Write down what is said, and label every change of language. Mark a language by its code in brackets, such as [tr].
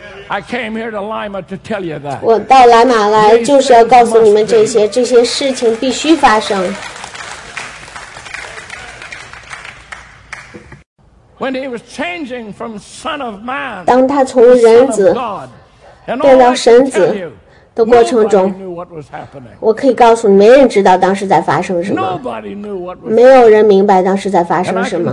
[en] I came here to Lima to tell you that. [zh] 我到来马来就是要告诉你们这些，这些事情必须发生。 [en] When he was changing from son of man, [zh] 当他从人子变到神子的过程中，我可以告诉你，没人知道当时在发生什么，没有人明白当时在发生什么。